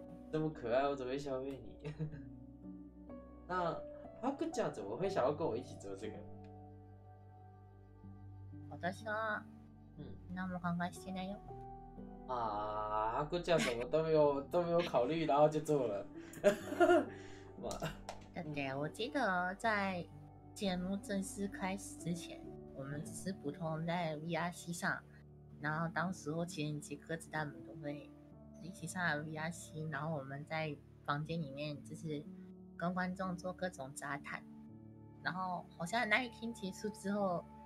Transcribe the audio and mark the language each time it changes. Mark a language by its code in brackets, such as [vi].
[zh] 这么可爱，我怎么会消费你？那哈库讲怎么会想要跟我一起做这个？ [ja] 私は何も考えしてないよ。 [zh] あ、ハクちゃん什么都没有考虑，然后就做了。哇！だって我记得在节目正式开始之前，我们只是普通在 VRC 上，然后当时候其实几个子弹们都会一起上来 VRC， 然后我们在房间里面就是跟观众做各种杂谈，然后好像那一天结束之后。